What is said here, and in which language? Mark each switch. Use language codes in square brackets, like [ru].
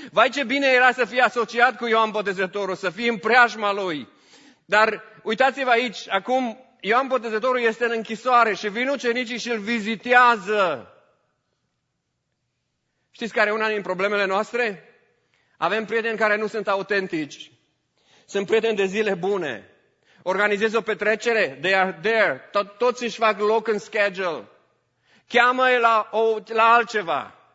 [ro] Vai ce bine era să fii asociat cu Ioan Botezătorul, să fii în preajma lui. Dar uitați-vă aici, acum Ioan Botezătorul este în închisoare și vin ucenicii și îl vizitează. Știți care e una din problemele noastre? Avem prieteni care nu sunt autentici. Sunt prieteni de zile bune. Organizez o petrecere, [en] they are there. [ro] Toți își fac loc în schedule. Cheamă-i la altceva.